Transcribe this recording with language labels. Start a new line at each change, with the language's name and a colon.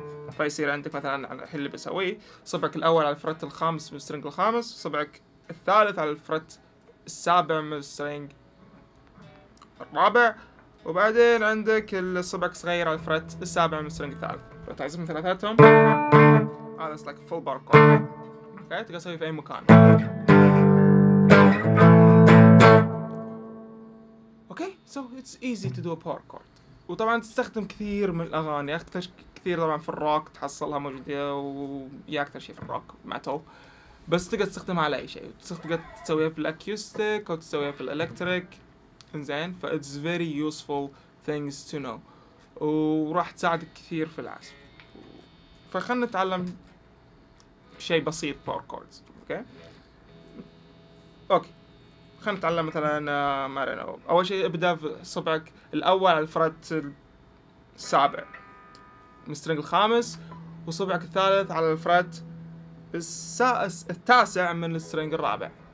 Arabic: فيصير عندك مثلا الحين اللي بسويه صبعك الاول على الفرت الخامس من السترينج الخامس صبعك الثالث على الفرت السابع من السترينج الرابع وبعدين عندك الصبعك صغير على الفرت السابع من السترينج الثالث. فتعزف من ثلاثاتهم هذا
English: It's like full bar chord.
Arabic: اوكي تقدر تسوي في اي مكان.
English: Okay, so it's easy to do a power chord.
Arabic: وطبعاً تستخدم كثير من الأغاني. أكثر كثير طبعاً في الروك تحصلها موجودة ويا أكثر شيء في الروك ماتل. بس تقدر تستخدمها على أي شيء. تقدر تسويها في الأكوستيك أو تسويها في الإلكتريك. إنزين.
English: فا it's very useful things to know.
Arabic: وراح تساعدك كثير في العزف. فخلنا نتعلم شيء بسيط power chords.
English: Okay.
Arabic: خلنا نتعلم مثلا مارينو. اول شيء ابدا بصبعك الاول على الفرت السابع من السترينج الخامس وصبعك الثالث على الفرت التاسع من السترينج الرابع.